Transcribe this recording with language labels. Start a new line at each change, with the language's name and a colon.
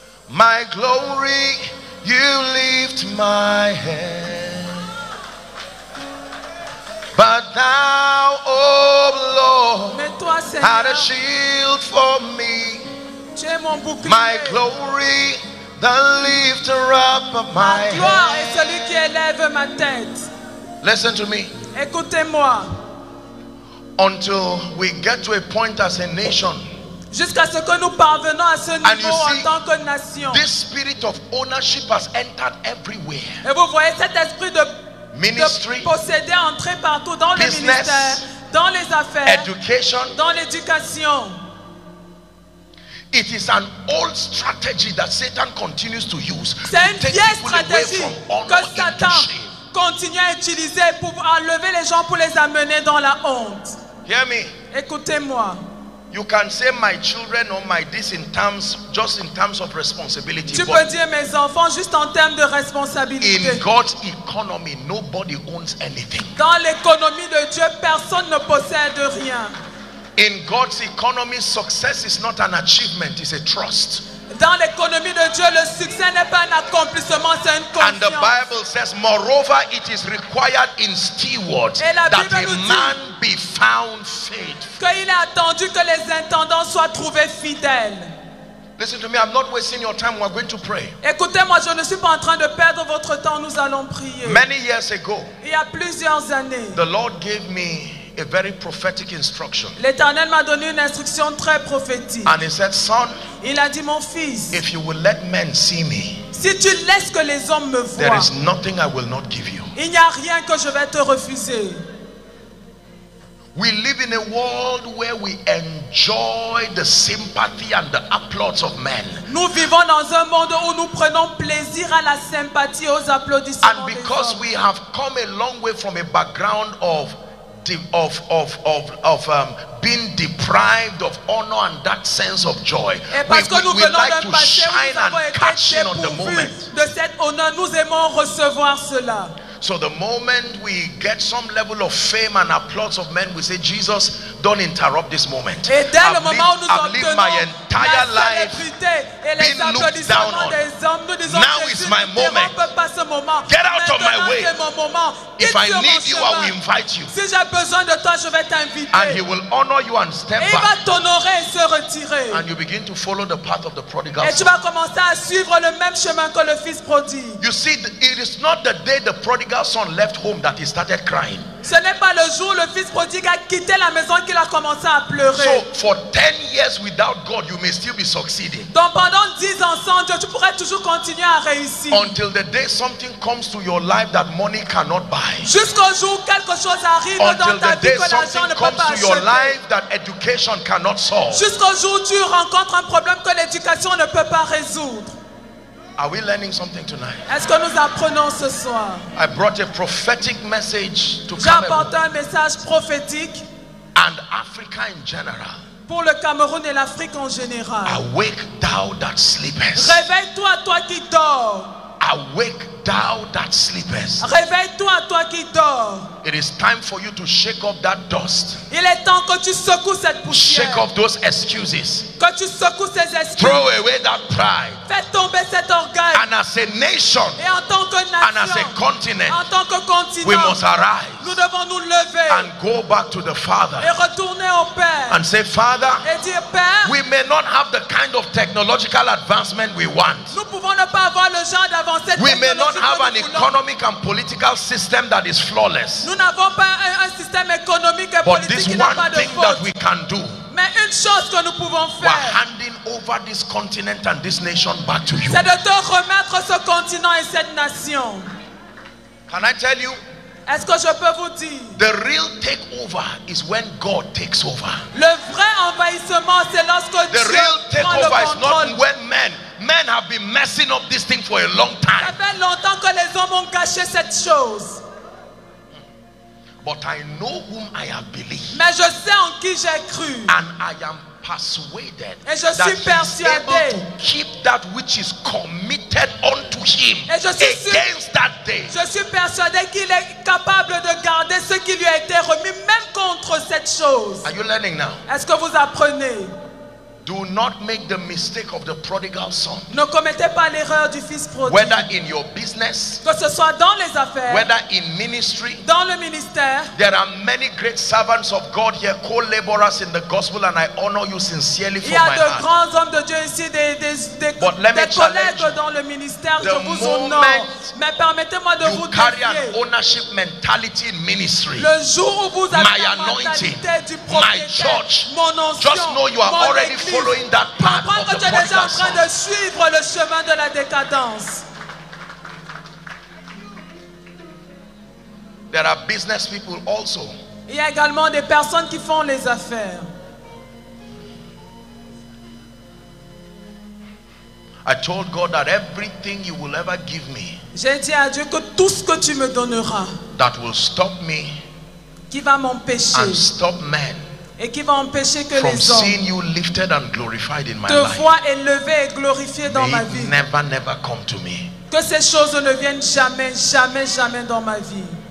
English: My glory, you lift my head. But thou, O Lord, art a shield for me. My glory, the lifter up of my head.
French: Ma gloire est celui qui élève ma tête.
English: Listen to me.
French: Écoutez-moi.
English: Until we get to a point as a nation,
French: jusqu'à ce que nous parvenons à ce niveau en tant que nation,
English: this spirit of ownership has entered everywhere.
French: Et vous voyez cet esprit de
English: ministry,
French: de posséder, entrer partout dans
English: business,
French: le ministère, dans les affaires,
English: education,
French: dans l'éducation.
English: It is an old strategy that Satan continues to use.
French: C'est une vieille stratégie que Satan continue à utiliser pour enlever les gens, pour les amener dans la honte.
English: Hear me.
French: Écoutez-moi.
English: You can say my children or my this in terms, just in terms of responsibility.
French: Tu peux dire mes enfants juste en termes de responsabilité.
English: In God's economy, nobody owns anything.
French: Dans l'économie de Dieu, personne ne possède rien.
English: In God's economy, success is not an achievement, it's a trust.
French: Dans l'économie de Dieu, le succès n'est pas un accomplissement, c'est une confiance.
English: And the Bible says, moreover, it is required in stewards that a man be found faithful.
French: Qu'il est attendu que les intendants soient trouvés fidèles.
English: Listen to me, I'm not wasting your time, we're going to pray.
French: Écoutez-moi, je ne suis pas en train de perdre votre temps, nous allons prier.
English: Many years ago,
French: il y a plusieurs années,
English: the Lord gave me a very prophetic instruction.
French: L'Éternel m'a donné une instruction très prophétique.
English: And he said, son,
French: il a dit, mon fils,
English: if you will let men see me,
French: si tu laisses que les hommes me voient,
English: there is nothing I will not give you.
French: Il n'y a rien que je vais te refuser.
English: We live in a world where we enjoy the sympathy and the applause of men.
French: Nous vivons dans un monde où nous prenons plaisir à la sympathie, aux applaudissements.
English: And because we have come a long way from a background of being deprived of honor and that sense of joy. We like to shine and catch in on the moment.
French: De cet honneur, nous aimons recevoir cela.
English: So the moment we get some level of fame and applause of men, we say, Jesus, don't interrupt this moment. I've lived my entire life being looked down on. Now is my moment. Get out of my way. If I need you, I will invite you.
French: Si j'ai besoin de toi, je vais t'inviter.
English: And he will honor you and step back.
French: Et il va t'honorer et se retirer.
English: And you begin to follow the path of the prodigal son.
French: Et tu vas commencer à suivre le même chemin que le fils prodigue.
English: You see, it is not the day the prodigal son left home that he started crying.
French: Ce n'est pas le jour le fils prodigue a quitté la maison qu'il a commencé à pleurer.
English: So for 10 years without God, you may still be succeeding.
French: Donc pendant 10 ans sans Dieu, tu pourrais toujours continuer à réussir.
English: Until the day something comes to your life that money cannot buy.
French: Jusqu'au jour où quelque chose arrive
English: until
French: dans ta vie que l'argent ne peut pas acheter.
English: Life that education cannot solve.
French: Jusqu'au jour où tu rencontres un problème que l'éducation ne peut pas résoudre.
English: Are we learning something tonight?
French: Est-ce que nous apprenons ce soir?
English: I brought a prophetic message to
French: Cameroon. J'ai apporté un message prophétique.
English: And Africa in general.
French: Pour le Cameroun et l'Afrique en général.
English: Awake thou that sleepest.
French: Réveille-toi, toi qui dors.
English: Awake thou that sleepest.
French: Réveille-toi, toi qui dors.
English: It is time for you to shake off that dust.
French: Il est temps que tu secoues cette poussière.
English: Shake off those excuses.
French: Que tu secoues ces excuses.
English: Throw away that pride.
French: Fais tomber cet orgueil.
English: And as a nation,
French: et en tant que nation,
English: and as a continent,
French: en tant que continent,
English: we must arise.
French: Nous devons nous lever.
English: And go back to the Father.
French: Et retourner au Père.
English: And say, Father,
French: et dire, Père,
English: we may not have the kind of technological advancement we want.
French: Nous pouvons ne pas avoir le genre d'avancée technologique.
English: We may not have an economic and political system that is flawless.
French: Nous n'avons pas un système économique et
English: but
French: politique
English: this one
French: qui n'a
English: thing
French: pas de faute.
English: That we can do.
French: Mais une chose que nous pouvons faire.
English: We're handing over this continent and this nation back to you.
French: C'est de te remettre ce continent et cette nation.
English: Can I tell you?
French: Est-ce que je peux vous dire?
English: The real takeover is when God takes over.
French: Le vrai envahissement c'est lorsque Dieu
English: real takeover
French: prend le contrôle.
English: Is not when men have been messing up this thing for a long time.
French: Ça fait longtemps que les hommes ont gâché cette chose.
English: But I know whom I have believed.
French: Mais je sais en qui j'ai cru.
English: And I am persuaded.
French: Et je suis persuadé.
English: To keep that which is committed unto him.
French: Et je suis
English: against that day.
French: Je suis persuadé qu'il est capable de garder ce qui lui a été remis même contre cette chose.
English: Are you learning now?
French: Est-ce que vous apprenez?
English: Do not make the mistake of the prodigal son.
French: Ne commettez pas l'erreur du fils prodigue.
English: Whether in your business,
French: que ce soit dans les affaires,
English: whether in ministry,
French: dans le ministère,
English: there are many great servants of God here, co-laborers in the gospel, and I honor you sincerely for my heart.
French: Il y a de grands hommes de Dieu ici, des collègues dans le ministère. Je vous honore. Mais permettez-moi de vous
English: carry an ownership mentality in ministry.
French: Le jour où vous avez
English: my anointing,
French: du prophète,
English: my church,
French: mon onction,
English: just know you are already following that path.
French: Comprends que tu es déjà en train de suivre le chemin de la décadence.
English: There are business people also.
French: Il y a également des personnes qui font les affaires.
English: I told God that everything you will ever give me.
French: J'ai dit à Dieu que tout ce que tu me donneras.
English: That will stop me.
French: Qui va m'empêcher.
English: And stop men.
French: Et qui va empêcher que
English: from
French: les hommes
English: seeing you lifted and glorified in my
French: te voient élevé et glorifié dans
English: may
French: ma vie.
English: Never, never come to me.
French: Que ces choses ne viennent jamais, jamais, jamais dans ma vie.